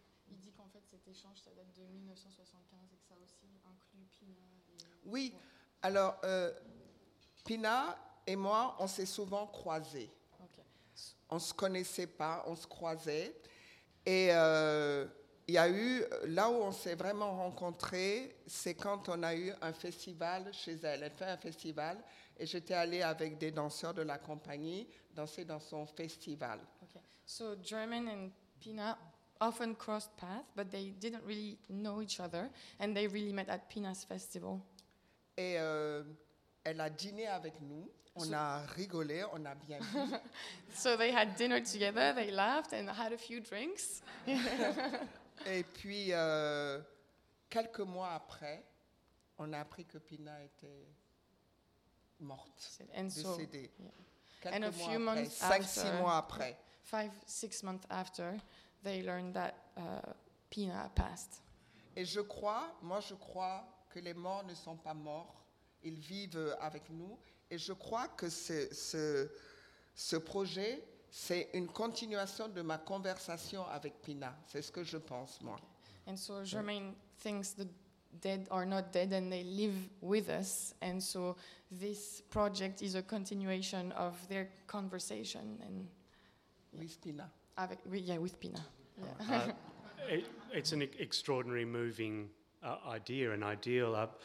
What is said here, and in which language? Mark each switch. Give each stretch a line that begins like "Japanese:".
French: Il dit qu'en fait cet échange ça date de 1975 et que ça aussi inclut Pina. Oui, alors Pina et moi, on s'est souvent croisés.
English: Okay.
French: On se connaissait pas, on se croisait, et il y a eu là où on s'est vraiment rencontrés, c'est quand on a eu un festival chez elle. Elle fait un festival. Et j'étais allée avec des danseurs de la compagnie danser dans son festival.
English: Okay. So German and Pina often crossed paths, but they didn't really know each other, and they really met at Pina's festival.
French: Et elle a dîné avec nous. On a rigolé, on a bien vu.
English: So they had dinner together. They laughed and had a few drinks.
French: Et puis quelques mois après, on a appris que Pina était morte,
English: and
French: décédée.
English: So, yeah. And a few months
French: après,
English: after,
French: 5-6 mois après,
English: 5-6 months after, they learned that Pina passed.
French: Et je crois, moi je crois que les morts ne sont pas morts, ils vivent avec nous, et je crois que ce projet, c'est une continuation de ma conversation avec Pina, c'est ce que je pense, moi.
English: Okay. And so Germaine thinks that dead are not dead and they live with us, and so this project is a continuation of their conversation and with Pina. With Pina. Yeah. It's an extraordinary moving idea and ideal.